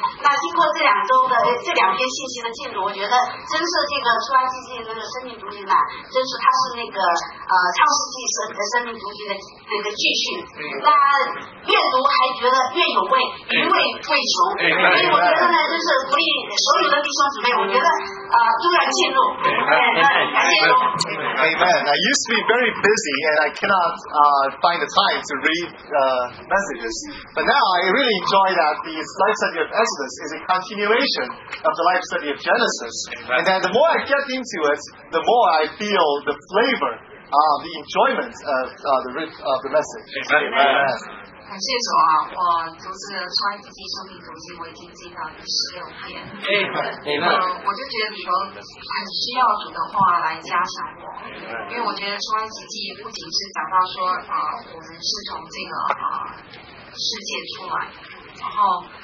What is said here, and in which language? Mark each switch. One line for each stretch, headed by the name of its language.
Chinese: 那经过这两周的这两篇信息的进入，我觉得真是这个出埃及记那个生命读经呢，真是它是那个创世纪生命读经的那个继续。那越读还觉得越有味，余味未穷。所以我觉得呢，就是鼓励所有的弟兄姊妹，我觉得都要进入。
English: Amen. I used to be very busy and I cannot find the time to read messages. But now I really enjoy that the life study of Exodus is a continuation of the life study of Genesis. And then the more I get into it, the more I feel the flavor, the enjoyment of the message. Amen.
Chinese: 感谢主啊！我读这个出埃及记生命读经，我已经进到第16遍。我就觉得主很需要主的话来加强我，因为我觉得出埃及记不仅是讲到说我们是从这个世界出来，然后